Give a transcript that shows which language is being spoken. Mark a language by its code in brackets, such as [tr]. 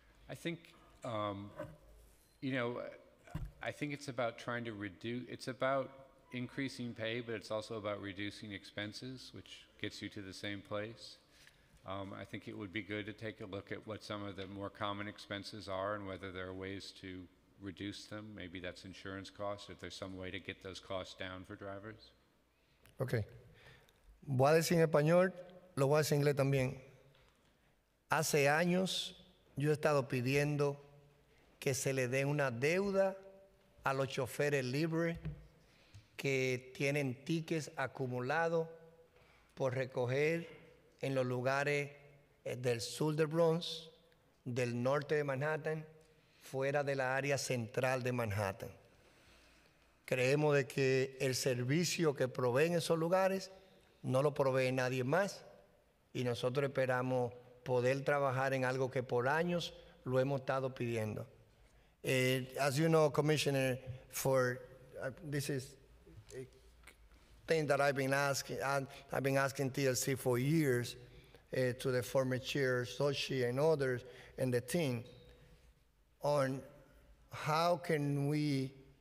[en] I think, I think it's about trying to reduce, it's about increasing pay, but it's also about reducing expenses, which gets you to the same place. I think it would be good to take a look at what some of the more common expenses are and whether there are ways to reduce them. Maybe that's insurance costs, if there's some way to get those costs down for drivers. Okay. [es] Voy a decir en español, lo voy a decir en inglés también. Hace años yo he estado pidiendo que se le dé una deuda a los choferes libres que tienen tickets acumulados por recoger en los lugares del sur del Bronx, del norte de Manhattan, fuera de la área central de Manhattan. Creemos de que el servicio que proveen esos lugares no lo provee nadie más y nosotros esperamos poder trabajar en algo que por años lo hemos estado pidiendo. [en] As you know, Commissioner, for this is a thing that I've been asking TLC for years to the former chair, Soshi, and others and the team on how can we